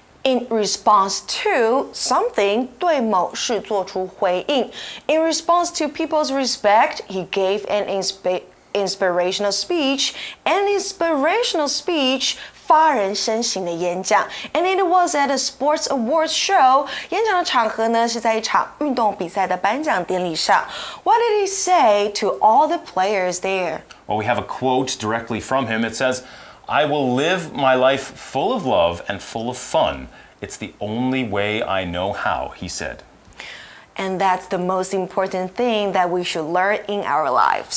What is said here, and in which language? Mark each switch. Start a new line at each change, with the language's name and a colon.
English: In response to something,
Chinese: 对某事做出回应。
English: In response to people's respect, he gave an inspirational speech. An inspirational speech,
Chinese: 发人深省的演讲。
English: And it was at a sports awards show.
Chinese: 演讲的场合呢，是在一场运动比赛的颁奖典礼上。
English: What did he say to all the players there? Well, we have a quote directly from him. It says,I will live my life full of love and full of fun. It's the only way I know how, he said. And that's the most important thing that we should learn in our lives.